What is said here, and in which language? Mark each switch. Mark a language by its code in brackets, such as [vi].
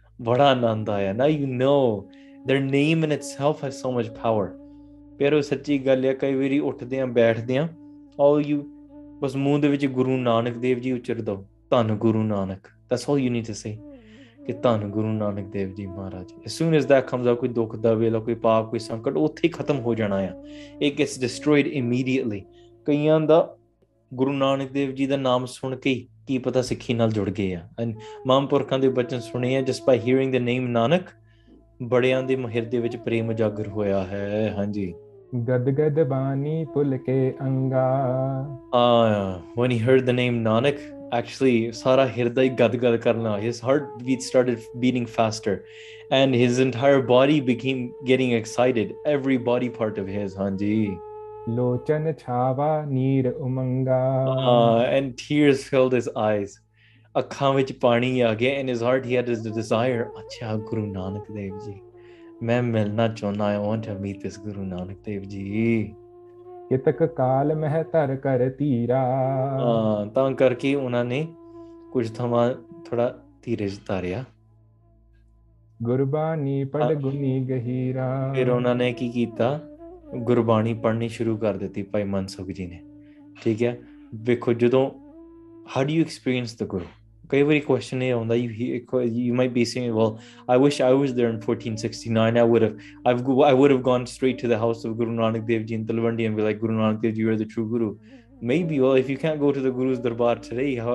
[pa] ਬੜਾ ਆਨੰਦ ਆਇਆ [en] now you know their name in itself has so much power [pa] ਪਰ ਉਹ ਸੱਚੀ ਗੱਲ ਹੈ ਕਈ ਵਾਰੀ ਉੱਠਦੇ ਆ ਬੈਠਦੇ ਆ [en] all you [pa] ਬਸ ਮੂੰਹ ਦੇ ਵਿੱਚ ਗੁਰੂ ਨਾਨਕ ਦੇਵ ਜੀ ਉੱਚਰ ਦੋ ਧੰਨ Guru Nanak [en] that's all you need to say [pa] ਕਿ ਧੰਨ ਗੁਰੂ ਨਾਨਕ ਦੇਵ ਜੀ ਮਹਾਰਾਜ [en] as soon as that comes out [pa] ਕੋਈ ਦੁੱਖ ਦਾ ਵੇਲਾ ਕੋਈ ਪਾਪ ਕੋਈ ਸੰਕਟ ਉੱਥੇ ਹੀ ਖਤਮ ਹੋ ਜਾਣਾ ਆ ਇਹ [en] gets destroyed immediately [pa] ਕਈਆਂ ਦਾ ਗੁਰੂ ਨਾਨਕ ਦੇਵ ਜੀ ਦਾ ਨਾਮ ਸੁਣ ਕੇ ਹੀ ਕੀ ਪਤਾ ਸਿੱਖੀ ਨਾਲ ਜੁੜ ਗਏ ਆ ਮਹਾਂਪੁਰਖਾਂ ਦੇ ਬਚਨ ਸੁਣੇ ਆ [en] just by hearing the name [pa] ਨਾਨਕ ਬੜਿਆਂ ਦੇ ਮਹਿਰ ਦੇ ਵਿੱਚ ਪ੍ਰੇਮ ਉਜਾਗਰ ਹੋਇਆ ਹੈ ਹਾਂਜੀ ਗਦ ਗਦ ਬਾਣੀ ਪੁਲ ਕੇ ਅੰਗਾ [en] when he heard the name Nanak actually [pa] sara hirday gad gad karna [en] his heart beat started beating faster and his entire body became getting excited every body part of his hanji [pa] lochan chhava neer umanga [en] and tears filled his eyes [pa] akhan vich pani aa gaya [en] and his heart he had his desire acha guru nanak dev ji [pa] ਮੈਂ ਮਿਲਣਾ ਚਾਹੁੰਦਾ [en] I want to meet this Guru Nanak Dev ji [pa] ਕਿਤਕ ਕਾਲ ਮਹਿ ਧਰ ਕਰ ਤੀਰਾ ਤਾਂ ਕਰਕੇ ਉਹਨਾਂ ਨੇ ਕੁਝ ਥਮਾਂ ਥੋੜਾ ਧੀਰਜ ਧਾਰਿਆ ਗੁਰਬਾਣੀ ਪੜ ਗੁਨੀ ਗਹੀਰਾ ਫਿਰ ਉਹਨਾਂ ਨੇ ਕੀ ਕੀਤਾ ਗੁਰਬਾਣੀ ਪੜ੍ਹਨੀ ਸ਼ੁਰੂ ਕਰ ਦਿੱਤੀ ਭਾਈ ਮਨਸੁਖ ਜੀ ਨੇ ਠੀਕ ਹੈ ਵੇਖੋ ਜਦੋਂ [en] how do you experience the Guru [pa] ਕਈ ਵਾਰੀ [en] question [pa] ਇਹ ਆਉਂਦਾ [en] you might be saying well I wish I was there in 1469 I would have gone straight to the house of Guru Nanak Dev ji in Talwandi and be like Guru Nanak Dev ji you are the true guru maybe well if you can't go to the Guru's darbar today